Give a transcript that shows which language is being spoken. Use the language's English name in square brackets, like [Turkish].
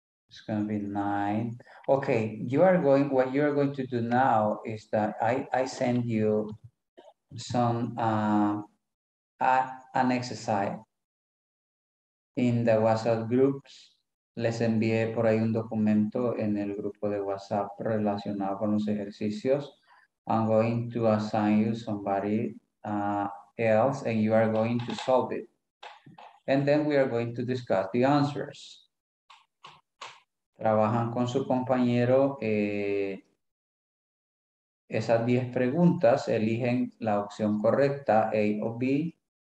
[English] It's gonna be 9. Okay, what you're going to do now is that I send you some an exercise in the WhatsApp groups. [Spanish] Les envié por ahí un documento en el grupo de WhatsApp relacionado con los ejercicios. [English] I'm going to assign you somebody else and you are going to solve it. And then we are going to discuss the answers. [Spanish] Trabajan con su compañero esas 10 preguntas, eligen la opción correcta, A o B.